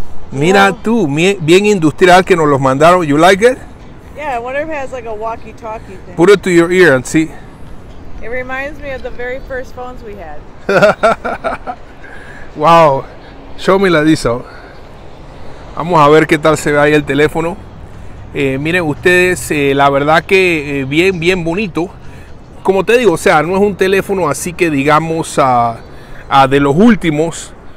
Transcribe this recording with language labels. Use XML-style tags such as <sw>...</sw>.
<es>Mira tú, bien industrial que nos los mandaron.</es> <en>You like it? Yeah, I wonder if it has like a walkie-talkie thing. Put it to your ear and see. It reminds me of the very first phones we had. Wow, show me la Lisa.</en> <es>Vamos a ver qué tal se ve ahí el teléfono. Miren ustedes, la verdad que bien, bien bonito. Como te digo, o sea, no es un teléfono así que digamos a de los últimos.</es>